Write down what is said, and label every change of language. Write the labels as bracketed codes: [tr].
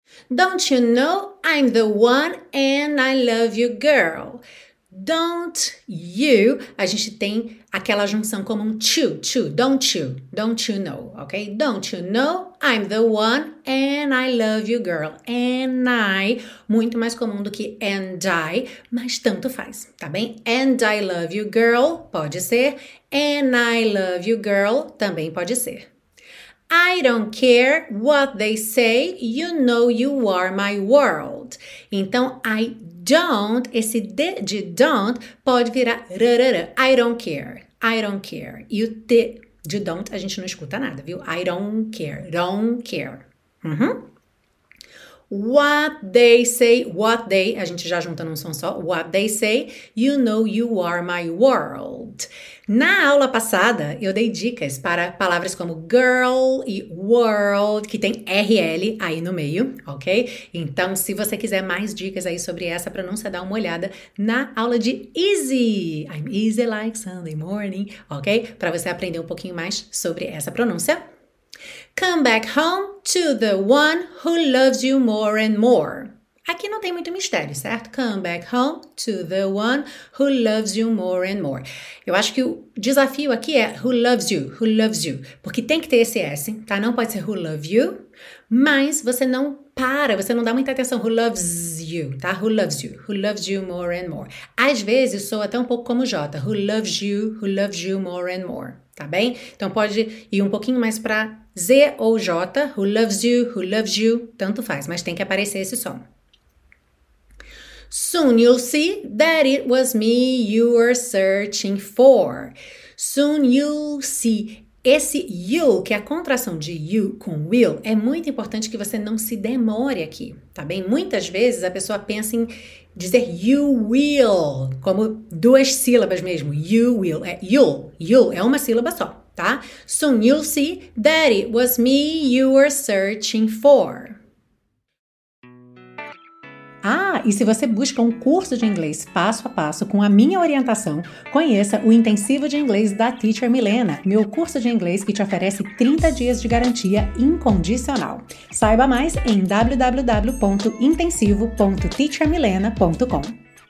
[en] Don't you know I'm the one and I love you, girl? Don't you, [pt] a gente tem aquela junção como um to, [en] don't you know, [pt] ok? [en] Don't you know, I'm the one and I love you, girl. And I, [pt] muito mais comum do que [en] and I, [pt] mas tanto faz, tá bem? [en] And I love you, girl, [pt] pode ser. [en] And I love you, girl, [pt] também pode ser. [en] I don't care what they say, you know you are my world. [pt] Então, [en] I don't, [pt] esse D de don't pode virar rarara. [en] I don't care. [pt] E o T de don't a gente não escuta nada, viu? [en] I don't care, uhum. What they, [pt] a gente já junta num som só, [en] what they say, you know you are my world. [pt] Na aula passada, eu dei dicas para palavras como girl e world, que tem RL aí no meio, ok? Então, se você quiser mais dicas aí sobre essa pronúncia, dá uma olhada na aula de easy. [en] I'm easy like Sunday morning, ok? [pt] Para você aprender um pouquinho mais sobre essa pronúncia. [en] Come back home to the one who loves you more and more. [pt] Aqui não tem muito mistério, certo? [en] Come back home to the one who loves you more and more. [pt] Eu acho que o desafio aqui é [en] who loves you, [pt] porque tem que ter esse S, tá? Não pode ser [en] who love you, [pt] mas você não para, você não dá muita atenção, [en] who loves you, [pt] tá? [en] Who loves you more and more. [pt] Às vezes, soa até um pouco como J, [en] who loves you more and more, [pt] tá bem? Então, pode ir um pouquinho mais pra Z ou J, [en] who loves you, [pt] tanto faz, mas tem que aparecer esse som. [en] Soon you'll see that it was me you were searching for. Soon you'll see. [pt] Esse you, que é a contração de you com will, é muito importante que você não se demore aqui, tá bem? Muitas vezes a pessoa pensa em dizer [en] you will, [pt] como duas sílabas mesmo. [en] You will, [pt] é [en] you'll, you'll, [pt] é uma sílaba só, tá? [en] Soon you'll see that it was me you were searching for. [pt] Ah, e se você busca um curso de inglês passo a passo com a minha orientação, conheça o Intensivo de Inglês da Teacher Milena, meu curso de inglês que te oferece 30 dias de garantia incondicional. Saiba mais em www.intensivo.teachermilena.com.